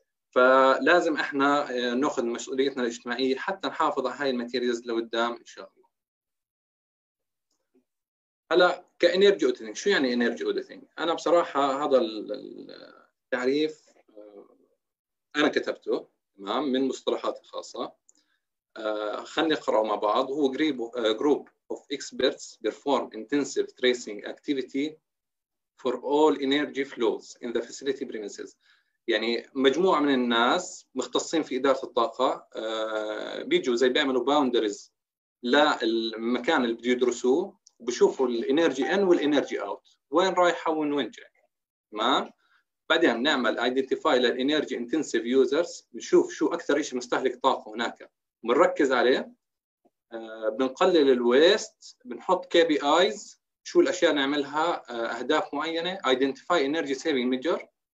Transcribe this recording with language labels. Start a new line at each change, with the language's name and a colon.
Arabic: فلازم احنا ناخذ مسؤوليتنا الاجتماعيه حتى نحافظ على هاي الماتيريالز لقدام ان شاء الله. هلا كانرجي اوديتنج، شو يعني انرجي اوديتنج؟ انا بصراحه هذا التعريف انا كتبته، تمام، من مصطلحات خاصه. خلني اقراه مع بعض. هو
English: group of experts perform intensive tracing activity for all energy flows in the facility premises.
Arabic: يعني مجموعة من الناس مختصين في إدارة الطاقة بيجوا زي بيعملوا باوندرز للمكان اللي بده يدرسوه، بشوفوا الانرجي ان والانرجي اوت، وين رايحة وين وين جاي، تمام. بعدين نعمل ايدنتيفاي للانرجي انتنسيف يوزرز، بنشوف شو اكثر شيء مستهلك طاقة هناك بنركز عليه، بنقلل الويست، بنحط كي بي ايز شو الاشياء نعملها، اهداف معينة، ايدنتيفاي انرجي سيفينج ميجر.